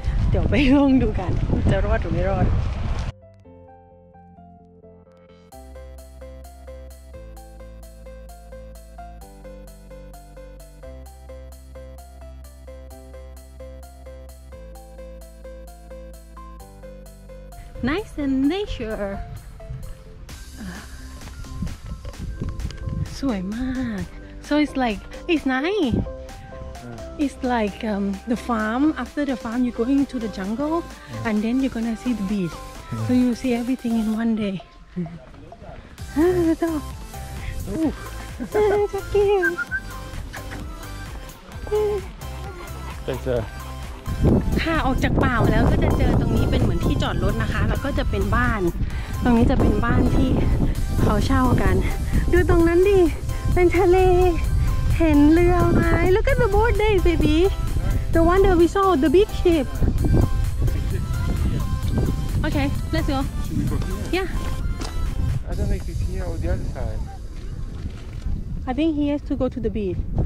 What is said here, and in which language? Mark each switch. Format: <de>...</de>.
<th>เดี๋ยวไปลองดูกันจะรอดหรือไม่รอด</th> <en>Nice and nature</en> <th>สวยมาก</th> <en>so it's like it's niceIt's like the farm. After the farm, you're going to the jungle, yeah. And then you're gonna see the beach. Yeah. So you see everything in one day. Oh, so cute. Thanks.</en> <th>ค่ะออกจากป่าแล้วก็จะเจอตรงนี้เป็นเหมือนที่จอดรถนะคะแล้วก็จะเป็นบ้านตรงนี้จะเป็นบ้านที่เขาเช่ากันดูตรงนั้นดิเป็นทะเลเห็นเรือไหม</th> <en>Look at the boat there, baby. The one that we saw, the big ship. Okay, let's go. Yeah. I don't know if it's here or the other side. I think he has to go to the beach.</en>